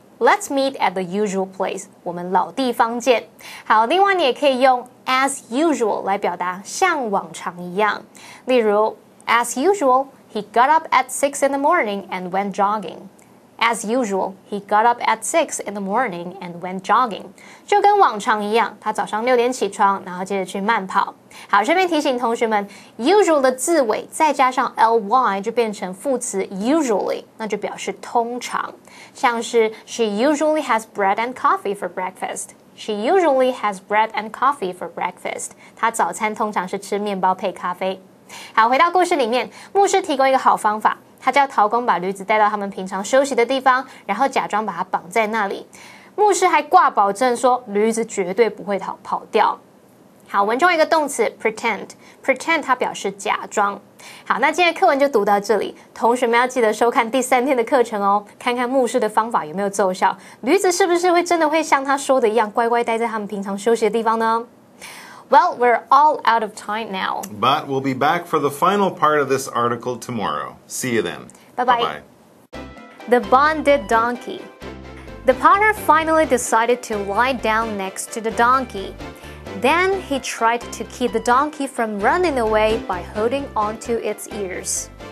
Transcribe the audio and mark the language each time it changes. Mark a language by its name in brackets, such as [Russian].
[English] Let's meet at the usual place. [Chinese] 我们老地方见。好，另外你也可以用 as usual 来表达像往常一样。例如 [English] As usual, he got up at 6 in the morning and went jogging. As usual, he got up at 6 in the morning and went jogging. [Chinese] 就跟往常一样，他早上六点起床，然后接着去慢跑。好，顺便提醒同学们 ，usual 的字尾再加上 ly 就变成副词 usually， 那就表示通常。像是 [English] she usually has bread and coffee for breakfast. She usually has bread and coffee for breakfast. [Chinese] 她早餐通常是吃面包配咖啡。好，回到故事里面，牧师提供一个好方法。他叫陶工把驴子带到他们平常休息的地方，然后假装把它绑在那里。牧师还挂保证说驴子绝对不会跑掉。好，文中一个动词 pretend 它表示假装。好，那今天的课文就读到这里，同学们要记得收看第三天的课程哦，看看牧师的方法有没有奏效，驴子是不是会真的会像他说的一样乖乖待在他们平常休息的地方呢？ [English] Well, we're all out of time now. But we'll be back for the final part of this article tomorrow. See you then. Bye-bye. Bye-bye. The bonded donkey. The potter finally decided to lie down next to the donkey. Then he tried to keep the donkey from running away by holding onto its ears.